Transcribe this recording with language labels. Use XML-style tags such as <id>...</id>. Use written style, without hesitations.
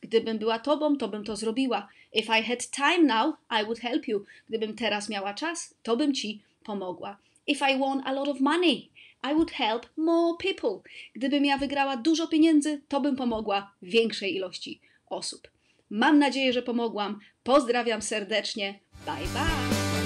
<pl>Gdybym była tobą, to bym to zrobiła.</pl> <en>If I had time now, I would help you.</en> <pl>Gdybym teraz miała czas, to bym ci pomogła.</pl> <en>If I won a lot of money, I would help more people.</en> <pl>Gdybym ja wygrała dużo pieniędzy, to bym pomogła większej ilości osób. Mam nadzieję, że pomogłam. Pozdrawiam serdecznie.</pl> <en>Bye, bye.</en>